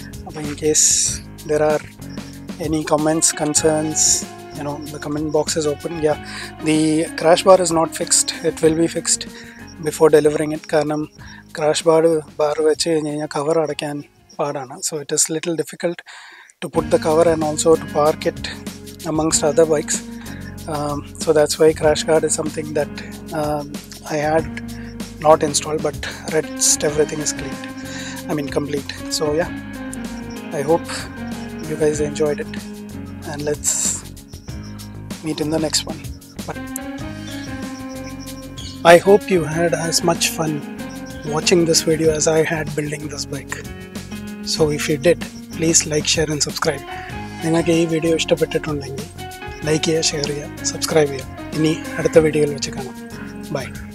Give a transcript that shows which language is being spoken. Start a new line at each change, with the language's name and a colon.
English: അപ്പം in case there are any comments concerns, you know, the comment box is open. Yeah, the crash bar is not fixed. It will be fixed before delivering it.
Malayalam: കാരണം crash bar വെച്ച് കഴിഞ്ഞ് കഴിഞ്ഞാൽ cover അടയ്ക്കാൻ പാടാണ്.
English: So it is little difficult to put the cover and also to park it amongst other bikes. So that's why crash guard is something that I had not installed, but rest everything is cleaned, I mean complete. So yeah, I hope you guys enjoyed it, and let's meet in the next one. But I hope you had as much fun watching this video as I had building this bike. So if you did, please like, share and subscribe.
Malayalam: നിങ്ങൾക്ക് ഈ video ഇഷ്ടപ്പെട്ടിട്ടുണ്ടെങ്കിൽ like ചെയ്യുക, share ചെയ്യുക, subscribe ചെയ്യുക. ഇനി അടുത്ത വീഡിയോയിൽ വെച്ച് കാണാം. ബൈ.